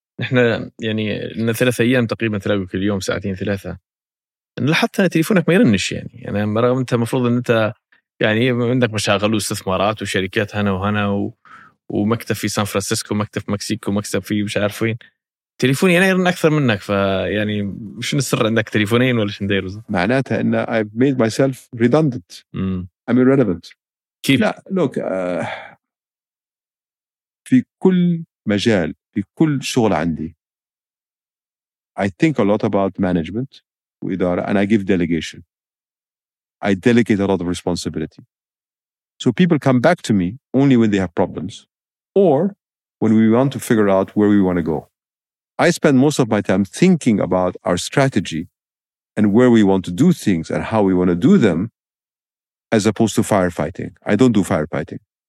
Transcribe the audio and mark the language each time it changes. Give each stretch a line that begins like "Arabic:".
Arabic: نحن يعني لنا 3 أيام تقريبا تلاقوا كل يوم ساعتين 3، لاحظت أن تليفونك ما يرنش يعني. أنا يعني رغم أنت مفروض أن أنت يعني عندك مشاغل واستثمارات وشركات هنا وهنا ومكتب في سان فرانسيسكو ومكتب في مكسيكو ومكتب في مش عارف وين، تليفوني يعني أنا يرن أكثر منك. فيعني مش نسر عندك تليفونين ولا شنديرو. معناتها أن
English: I've made myself redundant. I'm irrelevant.
Arabic: كيف؟ لا لوك في كل مجال في كل شغل عندي
English: I think a lot about management
Arabic: وإدارة
English: and I give delegation. I delegate a lot of responsibility. So people come back to me only when they have problems or when we want to figure out where we want to go. I spend most of my time thinking about our strategy and where we want to do things and how we want to do them as opposed to firefighting. I don't do firefighting.